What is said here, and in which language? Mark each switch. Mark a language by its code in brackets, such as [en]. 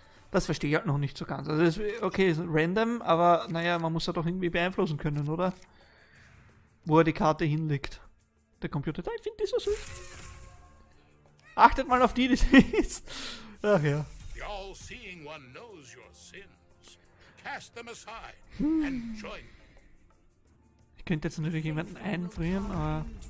[de] Das verstehe ich halt noch nicht so ganz. Also ist, okay, ist random, aber naja, man muss ja doch irgendwie beeinflussen können, oder? Wo er die Karte hinlegt. Der Computer, da, ich finde die so süß. Achtet mal auf die, die sie ist. Ach ja. [en] The all-seeing one knows your sins. Cast them aside and join. [de] Ich könnte jetzt natürlich jemanden einfrieren, aber...